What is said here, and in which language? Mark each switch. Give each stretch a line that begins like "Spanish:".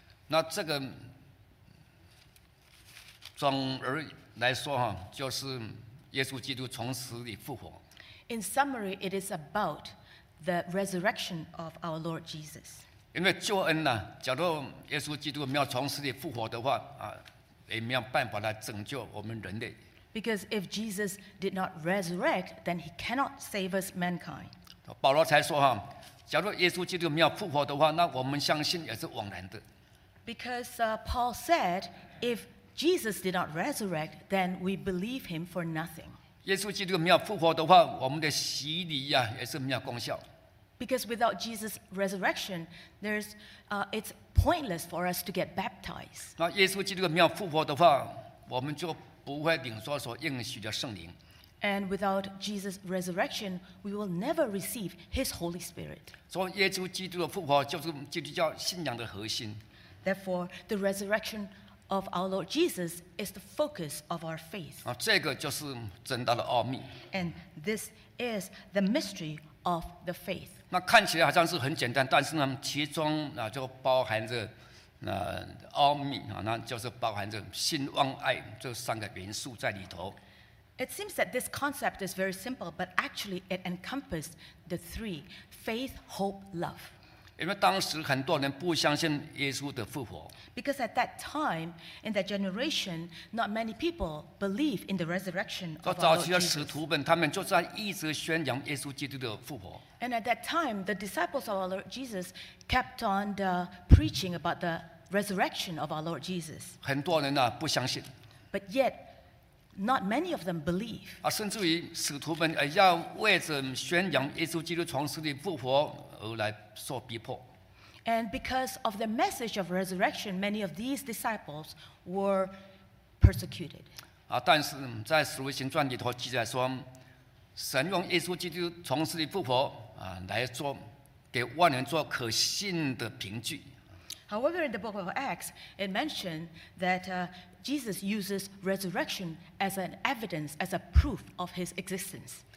Chinese: 那这个总而来说就是耶稣基督从死里复活。
English: In summary, it is about the resurrection of our Lord Jesus.
Chinese: 因为救恩假如耶稣基督没有从死里复活的话也没有办法来拯救我们人类。
English: Because if Jesus did not resurrect, then he cannot save us mankind.
Chinese: 保罗才说哈，假如耶稣基督没有复活的话，那我们相信也是枉然的。
English: Because Paul said, if Jesus did not resurrect, then we believe him for nothing.
Chinese: 耶稣基督没有复活的话，我们的洗礼呀也是没有功效。
English: Because without Jesus' resurrection, it's pointless for us to get baptized.
Chinese: 那耶稣基督没有复活的话，我们就不会领受所应许的圣灵。
English: And without Jesus' resurrection, we will never receive His Holy Spirit.
Chinese: 所以耶稣基督的复活就是基督教信仰的核心。
English: Therefore, the resurrection of our Lord Jesus is the focus of our faith.
Chinese: 啊，这个就是真道的奥秘。
English: And this is the mystery of the faith.
Chinese: 那看起来好像是很简单，但是呢，其中啊就包含着。奥秘啊，那就是包含着信、望、爱这三个元素在里头。
English: It seems that this concept is very simple, but actually it encompasses the three: faith, hope, love.
Chinese: 因为当时很多人不相信耶稣的复活。
English: Because at that time, in that generation, not many people believe in the resurrection of our Lord Jesus.
Chinese: 早期的使徒们，他们就在一直宣扬耶稣基督的复活。
English: And at that time, the disciples of our Lord Jesus kept on the preaching about the resurrection of our Lord Jesus.
Chinese: 很多人啊不相信。
English: But yet, not many of them believe.
Chinese: 啊，甚至于使徒们要为着宣扬耶稣基督从死里复活而来受逼迫。
English: And because of the message of resurrection, many of these disciples were persecuted.
Chinese: 啊，但是在《使徒行传》里头记载说，神用耶稣基督从死里复活。来做给万人做可信的凭据。
English: However, in the book of Acts, it mentioned that Jesus uses resurrection as an evidence, as a proof of his existence.